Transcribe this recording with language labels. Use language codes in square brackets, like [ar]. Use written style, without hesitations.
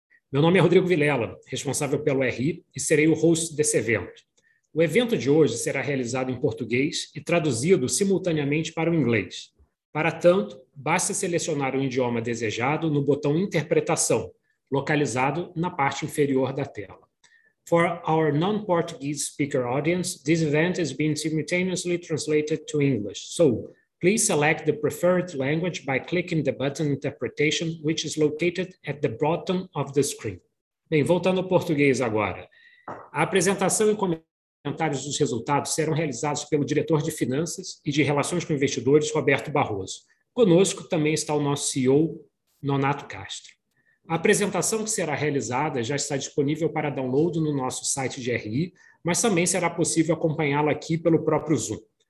[pt] Meu nome é Rodrigo Vilela, responsável pelo RI, e serei o host desse evento. O evento de hoje será realizado em português e traduzido simultaneamente para o inglês. Para tanto, basta selecionar o idioma desejado no botão Interpretação, localizado na parte inferior da tela. [en] For our non-Portuguese speaker audience, this event is being simultaneously translated to English. So, please select the preferred language by clicking the button Interpretation, which is located at the bottom of the screen. [pt] Bem, voltando ao português agora. A apresentação e comentários dos resultados serão realizados pelo diretor de Finanças e de Relações com Investidores, Roberto Barroso. Conosco também está o nosso CEO, Nonato Castro. A apresentação que será realizada já está disponível para download no nosso site de RI, mas também será possível acompanhá-la aqui pelo próprio Zoom.